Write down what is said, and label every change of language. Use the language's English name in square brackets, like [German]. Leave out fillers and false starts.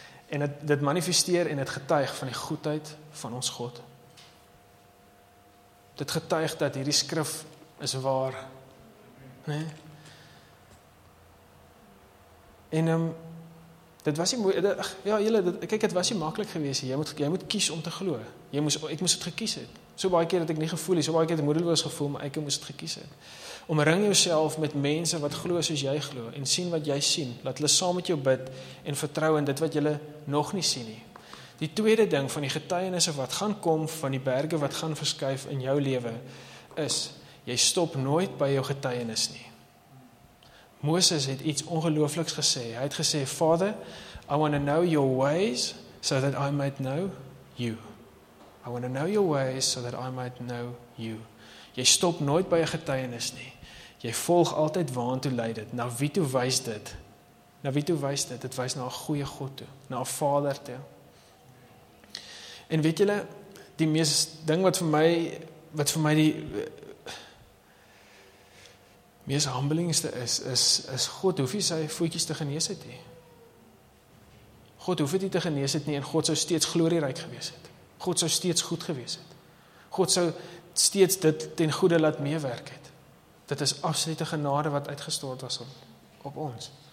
[Afrikaans] En dit manifesteer en het getuig van die goedheid van ons God. Dit getuig dat hierdie skrif is waar. Nee? En dit was nie maklik gewees. Jy moet kies om te glo. Ek moes het gekies het. So baie keer het ek nie gevoel, so baie keer het ek moedeloos gevoel, maar ek moes het gekies het. Omring jouself met mense wat glo soos jy glo, en sien wat jy sien. Laat hulle saam met jou bid, en vertrou in dit wat julle nog nie sien nie. Die tweede ding van die getuienisse wat gaan kom, van die berge wat gaan verskuif in jou lewe, is, jy stop nooit by jou getuienis nie. Moses het iets ongeloofliks gesê. Hy het gesê, [English] Father, I want to know your ways, so that I might know you. I want to know your ways, so that I might know you. [Afrikaans] Jy stop nooit by 'n getuienis nie. Jy volg altyd waar toe lei dit, na wie toe wys dit, Na wie toe wys dit? Dit wys na 'n goeie God toe, na 'n Vader toe. En weet julle, die mees ding wat vir my die mees humblingste is God hoef nie sy voetjies te genees het nie. God hoef dit nie te genees het nie en God sou steeds glorieryk gewees het. God sou steeds goed gewees het. God sou steeds dit ten goede laat meewerk het. Dit is absolute genade wat uitgestort was op ons.